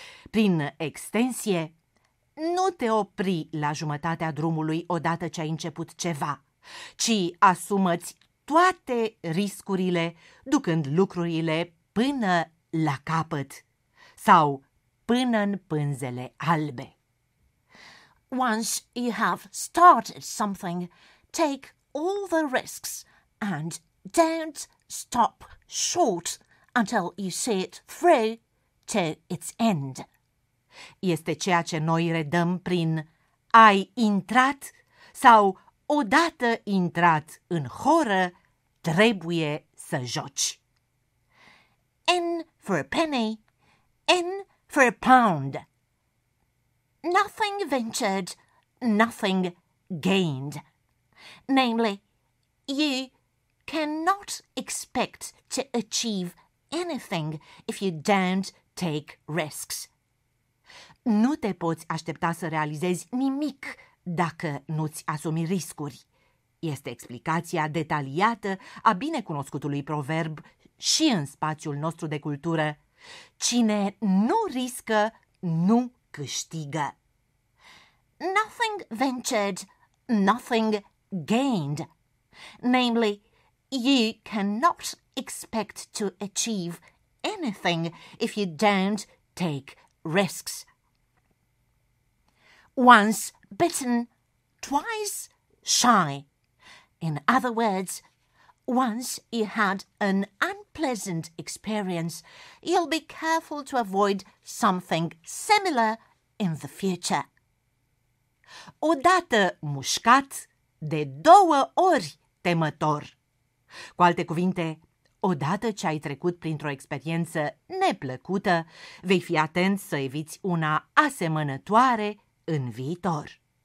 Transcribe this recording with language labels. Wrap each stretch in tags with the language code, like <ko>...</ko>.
<ro>Prin extensie, nu te opri la jumătatea drumului odată ce ai început ceva, ci asumă-ți toate riscurile ducând lucrurile până la capăt sau până în pânzele albe.</ro> <en>Once you have started something, take all the risks and don't stop short until you see it through to its end.</en> <ro>Este ceea ce noi redăm prin ai intrat sau odată intrat în horă, trebuie să joci.</ro> <en>N for a penny, N for a pound. Nothing ventured, nothing gained. Namely, you cannot expect to achieve anything if you don't take risks.</en> <ro>Nu te poți aștepta să realizezi nimic dacă nu-ți asumi riscuri. este explicația detaliată a binecunoscutului proverb și în spațiul nostru de cultură. Cine nu riscă, nu câștigă.</ro> <en>Nothing ventured, nothing gained. Namely, you cannot expect to achieve anything if you don't take risks. Once bitten, twice shy. In other words, once you had an unpleasant experience, you'll be careful to avoid something similar in the future.</en> <ro>Odată mușcat, de două ori temător. Cu alte cuvinte, odată ce ai trecut printr-o experiență neplăcută, vei fi atent să eviți una asemănătoare în viitor.</ro>